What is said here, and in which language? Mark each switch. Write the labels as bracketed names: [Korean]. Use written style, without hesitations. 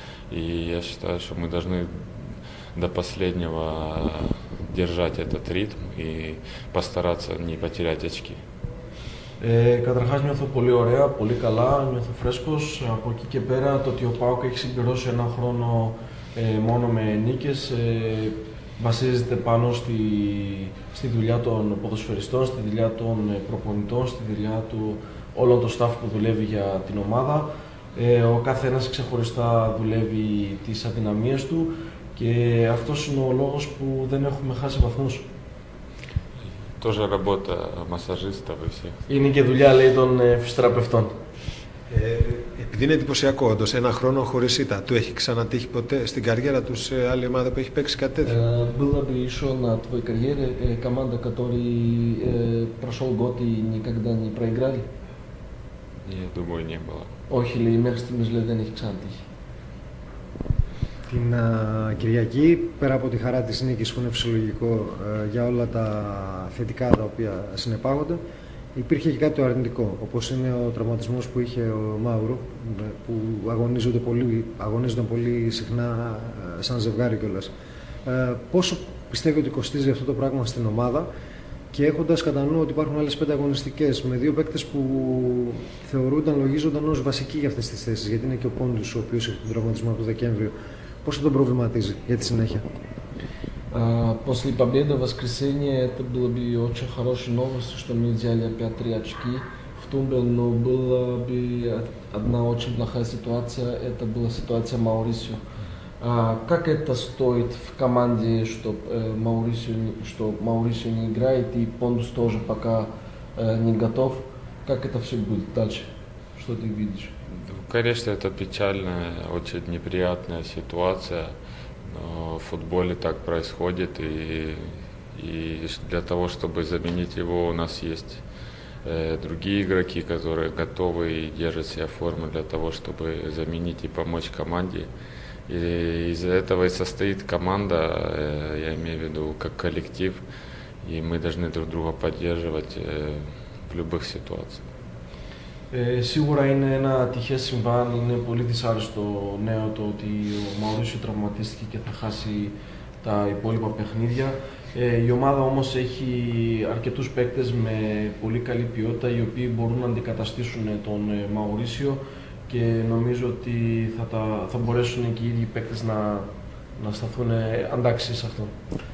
[Russian] И я считаю, что мы должны до последнего держать этот ритм и постараться не потерять очки. [Greek] Καταρχάς νιώθω πολύ ωραία, πολύ καλά, νιώθω φρέσκος. Από εκεί και πέρα το ότι ο ΠΑΟΚ έχει συμπληρώσει ένα χρόνο μόνο με νίκες βασίζεται πάνω στη δουλειά των ποδοσφαιριστών, στη δουλειά των προπονητών, στη δουλειά του όλων των staff που δουλεύει για την ομάδα. Ο καθένας ξεχωριστά δουλεύει τις αδυναμίες του και αυτός είναι ο λόγος που δεν έχουμε χάσει βαθμούς. [Russian] Тоже работа массажистов и всех. [Greek] Είναι και δουλειά, λέει, των φυσιοθεραπευτών. Επειδή είναι εντυπωσιακό, όντως, ένα χρόνο χωρίς ήττα, του έχει ξανατύχει ποτέ στην καριέρα του σε άλλη ομάδα που έχει παίξει κάτι τέτοιο. [Russian] Было бы еще на твоей карьере команда, которая прошел год и никогда не проиграли? Я думаю, не было. [Greek] Όχι, λέει, μέχρι στιγμής δεν έχει ξανατύχει. Την Κυριακή, πέρα από τη χαρά της νίκης που είναι φυσιολογικό για όλα τα θετικά τα οποία συνεπάγονται, υπήρχε και κάτι το αρνητικό, όπως είναι ο τραυματισμός που είχε ο Μαύρο, που αγωνίζονται πολύ συχνά σαν ζευγάρι κιόλας. Πόσο πιστεύει ότι κοστίζει αυτό το πράγμα στην ομάδα και έχοντας κατά νου ότι υπάρχουν άλλες 5 αγωνιστικές με 2 παίκτες που θεωρούνταν, λογίζονταν ως βασικοί για αυτές τις θέσεις, γιατί είναι και ο Πόντους ο οποίος έχει τον τραυματισμό από το Δεκέμβριο. Πώς τον προβληματίζει για τη συνέχεια? [Russian] После победы в воскресенье это было бы очень хорошей новостью, что мы взяли опять 3 очки в Тумбе, но была бы одна очень плохая ситуация, это была ситуация Маурисио. Как это стоит в команде, что Маурисио не играет и Пондус тоже пока не готов? Как это все будет дальше? Что ты видишь? Конечно, это печальная, очень неприятная ситуация, но в футболе так происходит, и для того, чтобы заменить его, у нас есть другие игроки, которые готовы и держат себя в форме для того, чтобы заменить и помочь команде. И из-за этого и состоит команда, я имею в виду, как коллектив, и мы должны друг друга поддерживать в любых ситуациях. [Greek] Σίγουρα είναι ένα τυχές συμβάν, είναι πολύ δυσάρεστο νέο το ότι ο Μαουρίσιο τραυματίστηκε και θα χάσει τα υπόλοιπα παιχνίδια. Η ομάδα όμως έχει αρκετούς παίκτες με πολύ καλή ποιότητα οι οποίοι μπορούν να αντικαταστήσουν τον Μαουρίσιο και νομίζω ότι θα μπορέσουν και οι ίδιοι παίκτες να σταθούν αντάξεις σε αυτό.